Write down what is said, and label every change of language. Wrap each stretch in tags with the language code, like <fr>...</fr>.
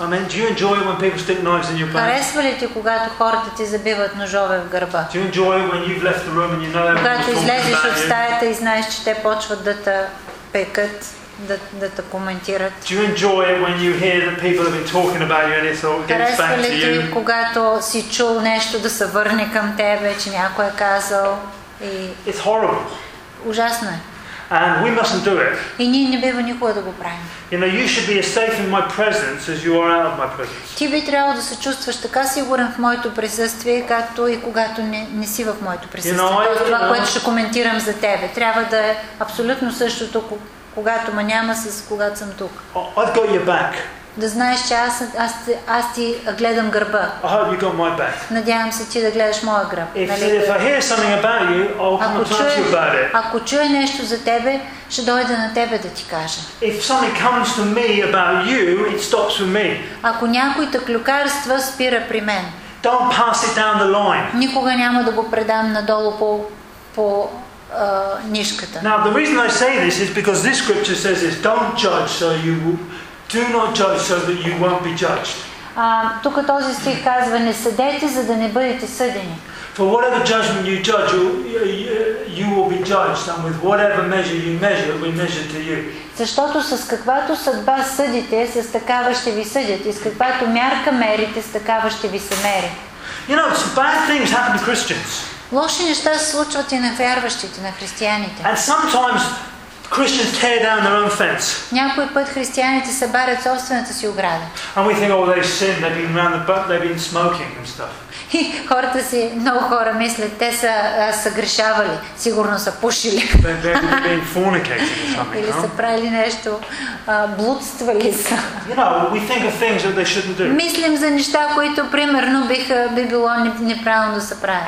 <en>I mean, do you enjoy when people stick knives in your back?</en> <bg>Харесва ли ти, когато хората ти забиват ножове в гърба?</bg> <en>Do you enjoy when you've left the room and you know?</en> <bg>Когато излезеш от стаята и знаеш, че те почват да те пекат, да те коментират.</bg> <en>Do you enjoy when you hear that people have been talking about you and it's all getting back to you?</en> <bg>Харесва ли ти, когато си чул нещо да се върне към тебе, че някой е казал и...</bg> <en>It's horrible.</en> <bg>Ужасно е.</bg> <en>And we mustn't do it.</en> <bg>И ние не бива никога да го правим.</bg> <en>You know, you should be as safe in my presence as you are out of my presence.</en> <bg>Ти би трябвало да се чувстваш така сигурен в моето присъствие, както и когато не си в моето присъствие.</bg> <en>You know,</en> <bg>това, което ще коментирам за тебе, трябва да е абсолютно същото, когато ме няма с когато съм тук.</bg> <en>I've got your back.</en> <bg>Да знаеш, че аз ти гледам гърба.</bg> <en>I hope you got my back.</en> <bg>Надявам се ти да гледаш моя гръб.</bg> <en>If I hear something about you, I'll come and talk to you about it.</en> <bg>Ако чуя нещо за тебе, ще дойда на тебе да ти кажа.</bg> <en>If something comes to me about you, it stops with me.</en> <bg>Ако някой тъклюкарства, спира при мен.</bg> <en>Don't pass it down the line.</en> <bg>Никога няма да го предам надолу по нишката.</bg> <en>Now the reason I say this is because this scripture says this: don't judge so you will... Do not judge so that you won't be judged.</en> <bg>Тук този стих казва: не съдете, за да не бъдете съдени.</bg> <en>For whatever judgment you judge, you will be judged, and with whatever measure you measure, it will be measured to you.</en> <bg>Защото с каквато съдба съдите, с такава ще ви съдят, и с каквато мярка мерите, с такава ще ви се мери.</bg> <en>You know, some bad things happen to Christians.</en> <bg>Лоши неща се случват и на вярващите, на християните.</bg> <en>And sometimes Christians tear down their own fence.</en> <bg>Някой път християните събарят собствената си ограда.</bg> <en>And we think, oh, they've sinned. They've been around the butt. They've been smoking and stuff.</en> <bg>Хората си, много хора мислят, те са съгрешавали, сигурно са пушили.</bg> <en>They've been fornicating or something.</en> <bg>Или са правили нещо, блудствали са.</bg> <en>You know, we think of things that they shouldn't do.</en> <bg>Мислим за неща, които примерно би било неправилно да се правят.</bg>